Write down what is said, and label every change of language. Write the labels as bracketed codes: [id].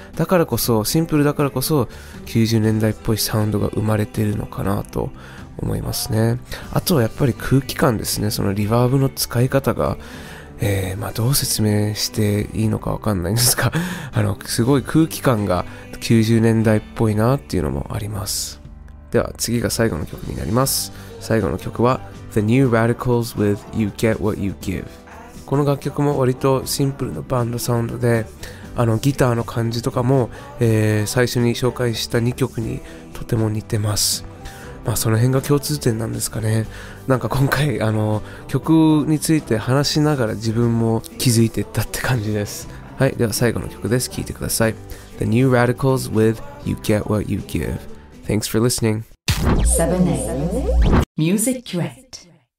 [ja] だからこそ、シンプルだからこそ90年代っぽいサウンドが生まれているのかなと思いますね。あとはやっぱり空気感ですね、そのリバーブの使い方が、まあ、どう説明していいのかわかんないんですが、すごい空気感が90年代っぽいなっていうのもあります。では次が最後の曲になります。最後の曲は The New Radicals with You Get What You Give。この楽曲も割とシンプルなバンドサウンドで、ギターの感じとかも、最初に紹介した2曲にとても似てます。まあ、その辺が共通点なんですかね。なんか今回曲について話しながら自分も気づいてったって感じです。はい、では最後の曲です。聴いてください。 [en] The New Radicals with You Get What You Give. Thanks for listening. 7-8 Music Curate